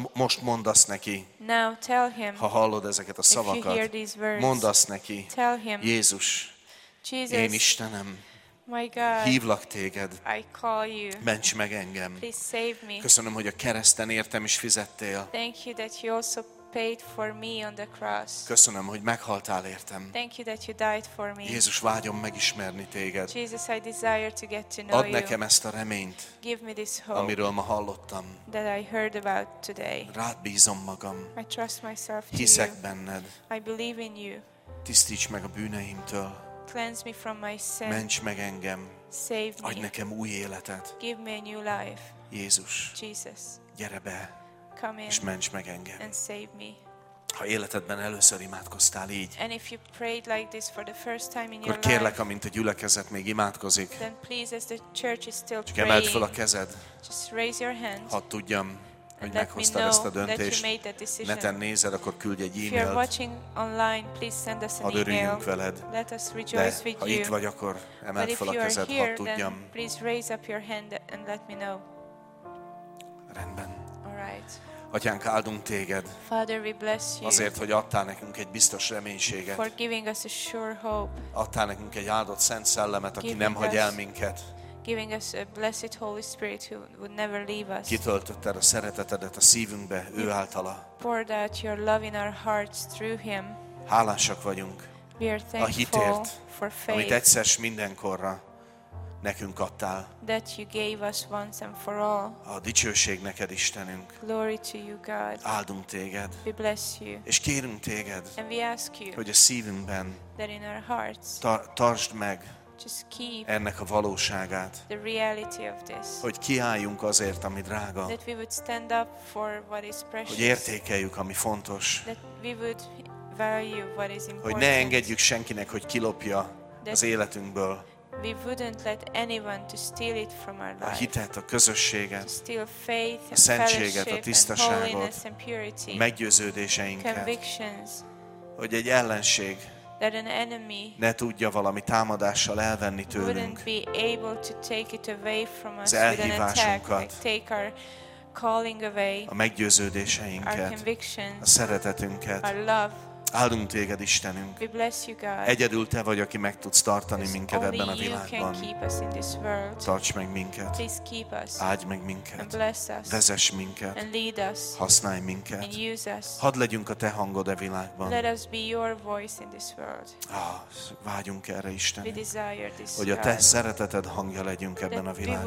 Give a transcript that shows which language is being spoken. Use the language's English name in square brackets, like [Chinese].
[Hungarian] Most mondd azt neki. [English] Now tell him. [Hungarian] Ha hallod ezeket a szavakat, mondd azt neki. [English] Tell him. [Hungarian] Jézus. [English] Jesus, [Hungarian] én Istenem. [English] My God. [Hungarian] Hívlak téged. [English] I call you. [Hungarian] Ments meg engem. [English] Please save me. [Hungarian] Köszönöm, hogy a kereszten értem is fizettél. [English] Thank you that you also paid for me on the cross. [Hungarian] Köszönöm, hogy meghaltál értem. [English] Thank you that you died for me. [Hungarian] Jézus, vágyom megismerni téged. [English] Jesus, I desire to get to know you. [Hungarian] Add nekem ezt a reményt. [English] Give me this hope. [Hungarian] Amiről ma hallottam. [English] That I heard about today. [Hungarian] Rád bízom magam. [English] I trust myself to [Hungarian] hiszek [English] you. [Hungarian] Benned. [English] I believe in you. [Hungarian] Tisztíts meg a bűneimtől. [English] Cleanse me from my sin. [Hungarian] Ments meg engem. [English] Save me. [Hungarian] Adj nekem új életet. [English] Give me a new life. [Hungarian] Jézus. [English] Jesus. [Hungarian] Gyere be. [English] Come in [Hungarian] és ments meg engem. [English] And save me. [Hungarian] Ha életedben először imádkoztál így, [English] and if you prayed like this for the first time in your [Hungarian] life, akkor kérlek, amint a gyülekezet még imádkozik, [English] then please, as the church is still [Hungarian] praying, emeld fel a kezed, [English] just raise your hand, [Hungarian] hadd tudjam, hogy meghoztad ezt a döntést. [English] That you made that decision. [Hungarian] Neten nézed, akkor küldj egy e-mailt. [English] If you're watching online, please send us an [Hungarian] hadd örüljünk veled. [English] Let us rejoice with you. [Hungarian] Ha itt vagy, akkor emeld fel a kezed, [English] here, [Hungarian] hadd tudjam. [English] Then please raise up your hand and let me know. [Hungarian] Rendben. Atyánk, áldunk téged. [English] Father, we bless you. [Hungarian] Azért, hogy adtál nekünk egy biztos reménységet. [English] For giving us a sure hope. [Hungarian] Adtál nekünk egy áldott Szent Szellemet, aki nem hagy el minket. [English] Giving us a blessed Holy Spirit who would never leave us. [Hungarian] Kitöltötted a szeretetedet a szívünkbe ő általa. [English] Poured out your love in our hearts through him. [Hungarian] Hálásak vagyunk. [English] We are thankful [Hungarian] a hitért, [English] for faith. [Hungarian] Amit egyszer s mindenkorra nekünk adtál. [English] That you gave us once and for all. [Hungarian] A dicsőség neked, Istenünk. [English] Glory to you, God. [Hungarian] Áldunk téged. [English] We bless you. [Hungarian] És kérünk téged. [English] And we ask you. [Hungarian] Hogy a szívünkben. [English] That in our hearts. [Hungarian] Tartsd meg. [English] Just keep. [Hungarian] Ennek a valóságát. [English] The reality of this. [Hungarian] Hogy kiálljunk azért, ami drága. [English] That we would stand up for what is precious. [Hungarian] Hogy értékeljük, ami fontos. [English] That we would value what is important. [Hungarian] Hogy ne engedjük senkinek, hogy kilopja that az életünkből. [English] We wouldn't let anyone to steal it from our life. [Hungarian] A hitet, a közösséget, [English] to steal faith and [Hungarian] a szentséget, a tisztaságot, [English] and purity, [Hungarian] meggyőződéseinket, [English] convictions, [Hungarian] hogy egy ellenség [English] that an enemy [Hungarian] ne tudja valami támadással elvenni tőlünk [English] wouldn't be able to take it away from us [Hungarian] az elhívásunkat, [English] take our calling away, [Hungarian] a meggyőződéseinket, [English] our convictions, [Hungarian] a szeretetünket, [English] our love. [Hungarian] Áldunk téged, Istenünk. [English] We bless you, God. [Hungarian] Egyedül te vagy, aki meg tudsz tartani minket ebben a világban. [English] Only you can keep us in this world. [Hungarian] Tarts meg minket. [English] Please keep us. [Hungarian] Áldj meg minket. [English] And bless us. [Hungarian] Vezess minket. [English] And lead us. [Hungarian] Használj minket. [English] And use us. [Hungarian] Hadd legyünk a te hangod a világban. [English] Let us be your voice in this world. [Hungarian] Ah, vágyunk erre, Istenünk. [English] We desire this, [Hungarian] hogy a te szereteted hangja legyünk ebben a világban.